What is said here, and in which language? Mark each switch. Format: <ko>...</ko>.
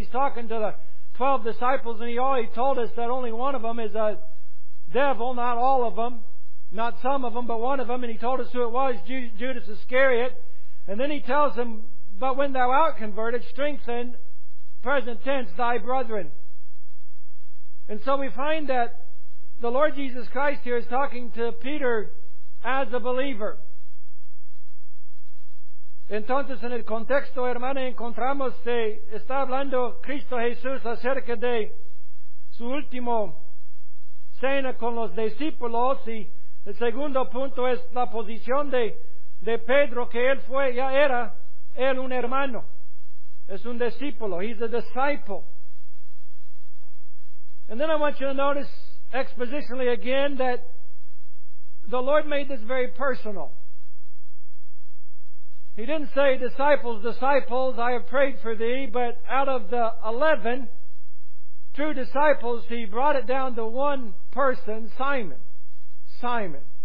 <en>He's talking to the 12 disciples, and he told us that only one of them is a devil, not all of them, not some of them, but one of them, and he told us who it was, Judas Iscariot. And then he tells him, but when thou art converted, strengthen, present tense, thy brethren. And so we find that the Lord Jesus Christ here is talking to Peter as a believer.</en> <es>Entonces, en el contexto, hermano, encontramos que está hablando Cristo Jesús acerca de su último cena con los discípulos, y el segundo punto es la posición de Pedro, que él fue, ya era él un hermano, es un discípulo,</es> <en>he's a disciple. And then I want you to notice expositionally again that the Lord made this very personal. He didn't say, disciples, disciples, I have prayed for thee, but out of the 11 true disciples, he brought it down to one person, Simon. Simon.</en>